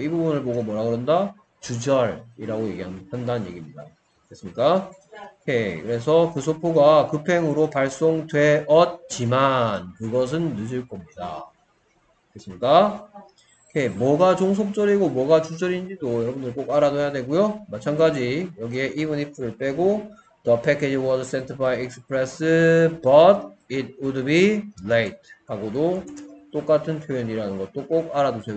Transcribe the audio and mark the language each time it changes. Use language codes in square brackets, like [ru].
[ko] 이 부분을 보고 뭐라 그런다? 주절이라고 한다는 얘기입니다. 됐습니까? 오케이. 그래서 그 소포가 급행으로 발송되었지만 그것은 늦을 겁니다. 됐습니까? 오케이. 뭐가 종속절이고 뭐가 주절인지도 여러분들 꼭 알아둬야 되고요. 마찬가지 여기에 [en] even if를 [ko] 빼고 [en] The package was sent by express, but it would be late. [ko] 하고도 똑같은 표현이라는 것도 꼭 알아두세요.